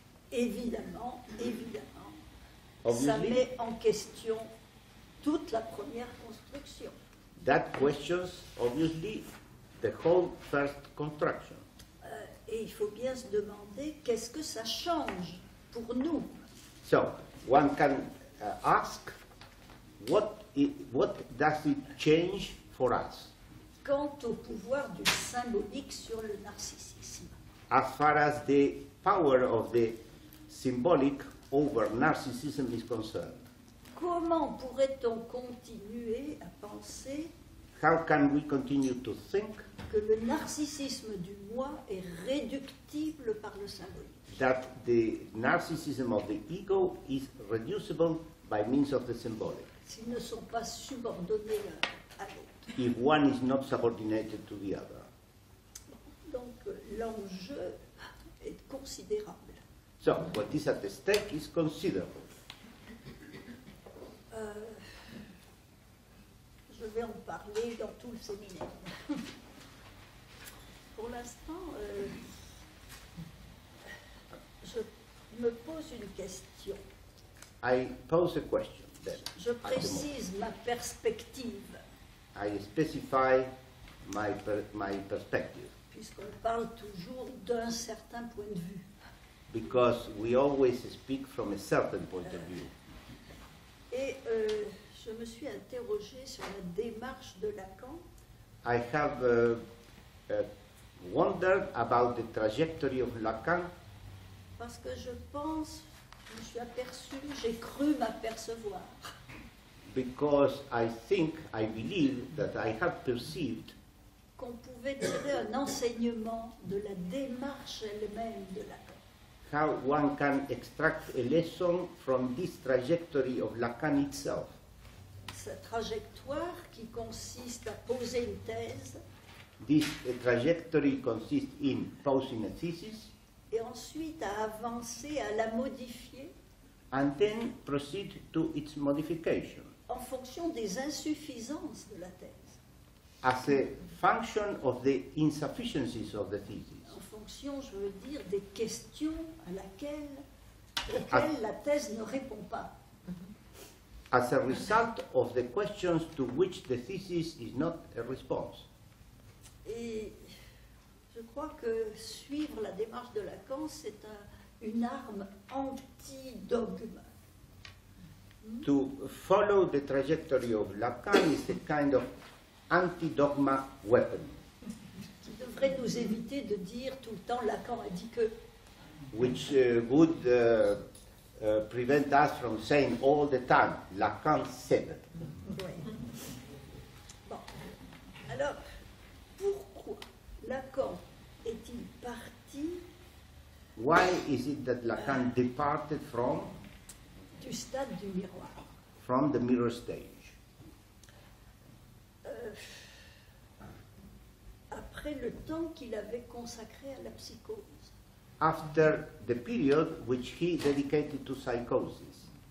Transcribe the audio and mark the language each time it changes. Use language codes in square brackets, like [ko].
[fr] Évidemment, évidemment, obviously, ça met en question toute la première construction. [en] That questions, obviously, the whole first construction. [fr] Et il faut bien se demander qu'est-ce que ça change pour nous. [en] So, one can ask, what does it change for us? [fr] Quant au pouvoir du symbolique sur le narcissisme. [en] As far as the power of the symbolic over narcissism is concerned. [fr] Comment pourrait-on continuer à penser, [en] how can we continue to think, [fr] que le narcissisme du moi est réductible par le symbolique? [en] That the narcissism of the ego is reducible by means of the symbolic. [fr] S'ils ne sont pas subordonnés à l'autre. [en] If one is not subordinated to the other. [fr] Donc l'enjeu est considérable. [en] So, what is at the stake is considerable. [fr] Je vais en parler dans tout le séminaire. Pour l'instant, je me pose une question. [en] I pose a question. Then, [fr] je précise ma perspective. [en] I specify my perspective. [fr] Puisqu'on parle toujours d'un certain point de vue. [en] Because we always speak from a certain point of view. [fr] Et je me suis interrogée sur la démarche de Lacan. [en] I have wondered about the trajectory of Lacan. [fr] Parce que je pense, je me suis aperçue, j'ai cru m'apercevoir. [en] Because I think, I believe that I have perceived [fr] qu'on pouvait tirer un enseignement de la démarche elle-même de Lacan. [en] How one can extract a lesson from this trajectory of Lacan itself. [fr] Cette trajectoire qui consiste à poser une thèse. [en] This trajectory consists in posing a thesis. [fr] Et ensuite à avancer, à la modifier. [en] And then proceed to its modification. [fr] En fonction des insuffisances de la thèse. [en] As a function of the insufficiencies of the thesis. [fr] Je veux dire des questions à laquelle auxquelles la thèse ne répond pas. [en] as a result of the questions to which the thesis is not a response. [fr] Et je crois que suivre la démarche de Lacan, c'est une arme anti-dogme. [en] To follow the trajectory of Lacan is a kind of anti-dogma weapon. [fr] Qui devrait nous éviter de dire tout le temps Lacan a dit que. [en] Which would prevent us from saying all the time Lacan said. [fr] Oui. Bon. Alors, pourquoi Lacan est-il parti? [en] Why is it that Lacan departed from? [fr] Du stade du miroir. [en] From the mirror stage. [fr] Après le temps qu'il avait consacré à la psychose. [en] After the period which he dedicated to psychosis.